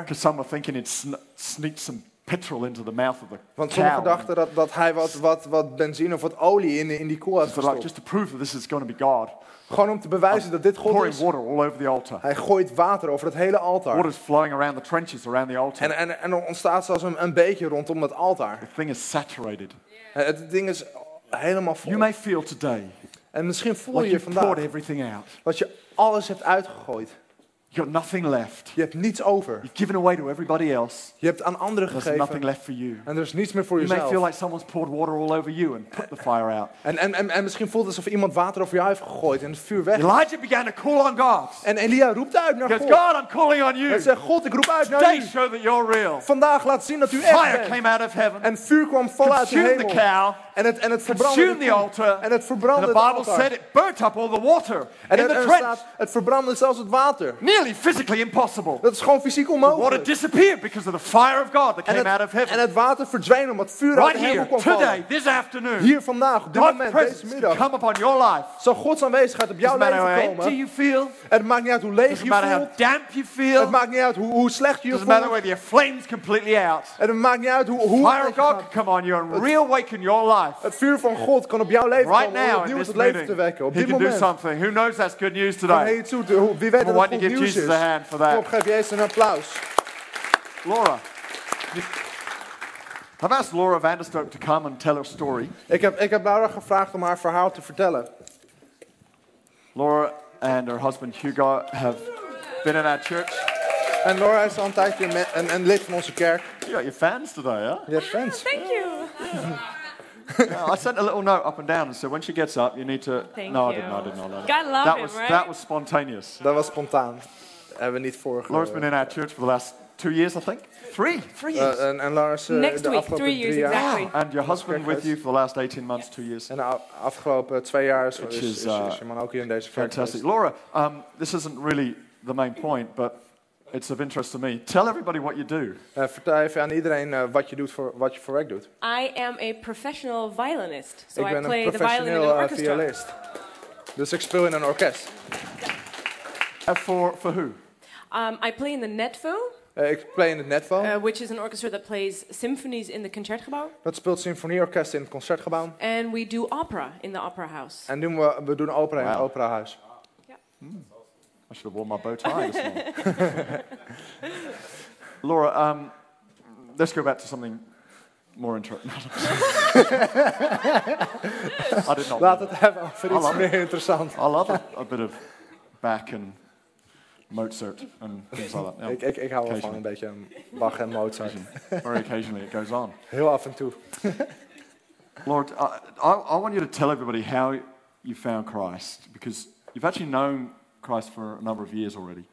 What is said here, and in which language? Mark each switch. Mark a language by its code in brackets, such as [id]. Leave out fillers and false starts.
[en] Because some are thinking it sneaks some petrol into the mouth of the cow. [nl] Want sommigen dachten dat hij wat benzine of wat olie in die koe had gestopt. [en] Like, just to prove that this is going to be God. [nl] Gewoon om te bewijzen dat dit God is. [en] Pouring water all over the altar. [nl] Hij gooit water over het hele altaar. [en] Water is flowing around the trenches around the altar. [nl] En er ontstaat zelfs een beetje rondom het altaar. [en] The thing is saturated. Yeah. [nl] Het ding is helemaal vol. [en] You may feel today. [nl] En misschien voel je vandaag dat je alles hebt uitgegooid. [en] You've got nothing left. [nl] Je hebt niets over. [en] You've given away to everybody else. [nl] Je hebt aan anderen gegeven. [en] There's nothing left for you. [nl] En er is niets meer voor jezelf. [en] You may feel like someone's poured water all over you and put the fire out. [nl] En misschien voelt het alsof iemand water over jou heeft gegooid en het vuur weg. [en] Elijah began to call on God. [nl] En Elia roept uit naar God. [en] Because God, I'm calling on you. [nl] Hij zegt, God, ik roep uit [en] today [nl] naar u. [en] Today, show that you're real. [nl] Vandaag laat zien dat u [en] fire [nl] echt bent. [en] Fire came out of heaven. [nl] En vuur kwam vol uit de hemel. [en] The cow. [nl] En het verbrandde [en] the altar. [nl] En het verbrandde [en] the Bible [nl] het altaar. [en] Said it burnt up all the water. [nl] En [en] in the trench. [nl] Staat, het verbrandde zelfs het water. [en] Nearly physically impossible. [nl] Dat is gewoon fysiek onmogelijk. [en] The water disappeared because of the fire of God that came out of heaven. [nl] En het water verdween omdat vuur uit de hemel kwam. [en] Right here, today, this afternoon. [nl] Hier vandaag, op dit moment, deze middag. [en] Come upon your life. [nl] Zal Gods aanwezigheid op jouw leven komen. [en] Do you feel? [nl] Het maakt niet uit hoe leeg je voelt. [en] How damp you feel. [nl] Het maakt niet uit hoe slecht je voelt. [en] Doesn't matter whether your flame's completely out. [nl] En het maakt niet uit hoe [en] the fire of God can come on you and reawaken your life. [nl] Het vuur van God kan op jouw leven [en] right [nl] komen om opnieuw het leven te wekken. Op [en] he [nl] dit moment. [en] Do something. Who knows that's good news today? [nl] Wie weet dat het goed nieuws [en] Jesus [nl] is. [en] A hand for that. [nl] Kom, geef Jezus een applaus. [en] Laura. I've asked Laura Vanderstoke to come and tell her story. [nl] Ik heb Laura gevraagd om haar verhaal te vertellen. [en] Laura and her husband Hugo have been in our church. [nl] En Laura is al een tijdje een lid van onze kerk. [en] You got your fans today, huh? Yeah, fans. Thank you. No, I sent a little note up and down and said, when she gets up, you need to... Thank no, you. I didn't know that. God love that him, was, right? That was spontaneous. That was [nl] spontaan. Hebben niet voor. [en] Laura's been in our church for the last 2 years, I think. Three years. And Laura's... Next week, 3 years, exactly. Yeah. And your husband with you for the last 18 months, yes. 2 years. [nl] En afgelopen 2 jaar is je man ook hier in deze kerk. [en] Fantastic. Laura, this isn't really the main point, but it's of interest to me. Tell everybody what you do. [nl] Vertel even aan iedereen wat je doet voor wat je voor werk doet. [en] I am a professional violinist, so [nl] ik [en] I play the violin in an orchestra. [nl] Dus ik speel in een orkest. [en] Yeah. For who? I play in the Netvo. [nl] Ik play in het Netvo. [en] Which is an orchestra that plays symphonies in the Concertgebouw. [nl] Dat speelt symfonieorkest in het Concertgebouw. [en] And we do opera in the opera house. [nl] En doen we opera in het opera huis. [en] I should have worn my bow tie this morning. Laura, let's go back to something more interesting. I did not. [nl] Laat het hebben over iets meer interessant. [en] I love a bit of Bach and Mozart and things like that. Yeah. [nl] ik hou wel van een beetje Bach en Mozart. [en] Very occasionally it goes on. [nl] Heel af en toe. [en] Laura, I want you to tell everybody how you found Christ, because you've actually known Christ for a number of years already.